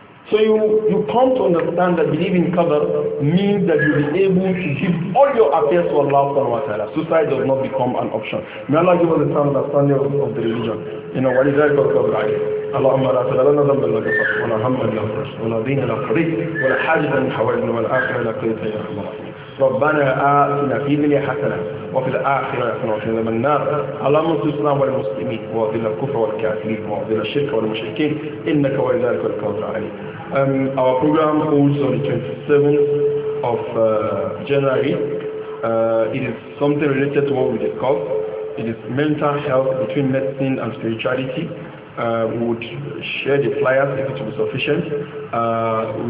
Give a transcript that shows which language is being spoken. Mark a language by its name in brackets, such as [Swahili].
[English] So you come to understand that believing Qadr means that you'll be able to give all your affairs to Allah subhanahu wa ta'ala. Suicide does not become an option. May Allah give us the sound understanding of the religion. You know, what is that called Qadr? [Arabic] اللهم لا تدع لنا ذنبا الا غفرته ولا هما الا فرجته ولا دينا الا قضيته ولا حاجه من حوائجنا والاخره الا قضيتها يا رب العالمين. ربنا اتنا في الدنيا حسنه وفي الاخره حسنه وقنا عذاب النار. اللهم انصر الاسلام والمسلمين واذل الكفر والكافرين واذل الشرك والمشركين انك ولي ذلك القدر العلي. [English] Our program holds on the 27th of January. It is something related to what we discussed. It is mental health between medicine and spirituality. We would share the flyers if it will be sufficient.